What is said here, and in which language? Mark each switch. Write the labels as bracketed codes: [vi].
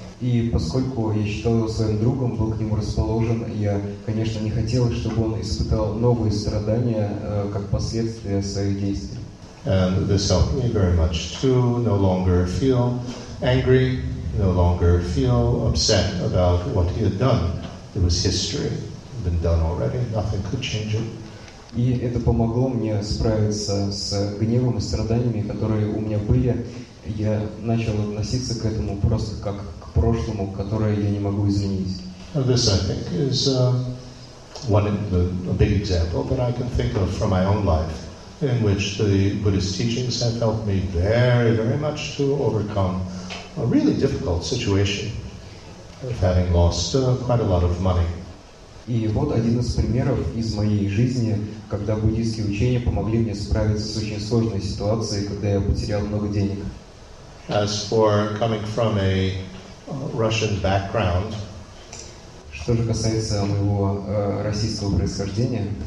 [ru] И поскольку я считал его своим другом, был к нему расположен, я, конечно, не хотел, чтобы он испытал новые страдания как последствия своих действий. [en] And this helped me very much to no longer feel angry, no longer feel upset about what he had done. It was history. It had been done already. Nothing could change it. [ru] И это помогло мне справиться с гневом и страданиями, которые у меня были. Я начал относиться к этому просто как к прошлому, которое я не могу изменить. [en] This, I think, is a big example that I can think of from my own life, in which the Buddhist teachings have helped me very, very much to overcome a really difficult situation of having lost quite a lot of money. [ru] И вот один из примеров из моей жизни, когда буддийские учения помогли мне справиться с очень сложной ситуацией, когда я потерял много денег. [en] As for coming from a Russian background, [ru] что же касается моего российского происхождения,